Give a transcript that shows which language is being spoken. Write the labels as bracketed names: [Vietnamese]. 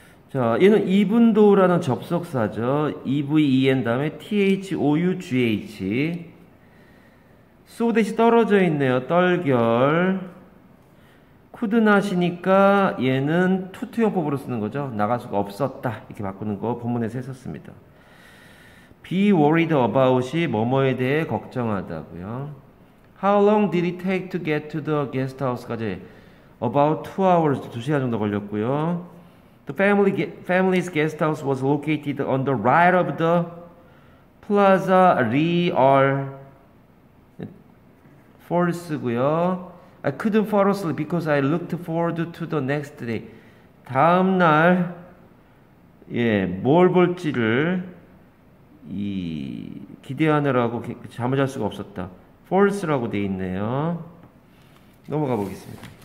[Korean] 자, 얘는 even though라는 접속사죠. even 다음에 though. so 대신 떨어져 있네요. 떨결. could not이니까 얘는 투투용법으로 쓰는 거죠. 나갈 수가 없었다. 이렇게 바꾸는 거 본문에서 했었습니다. Be worried about이 뭐뭐에 대해 걱정하다고요. [English] How long did it take to get to the guest house까지? About 2 hours, [Korean] 2시간 정도 걸렸고요. [English] The family's guest house was located on the right of the [Korean] 플라자 리얼 포르스고요. [English] I couldn't fall asleep because I looked forward to the next day. [Korean] 다음 날 예, 뭘 볼지를 이 기대하느라고 잠을 잘 수가 없었다. False라고 돼 있네요. 넘어가 보겠습니다.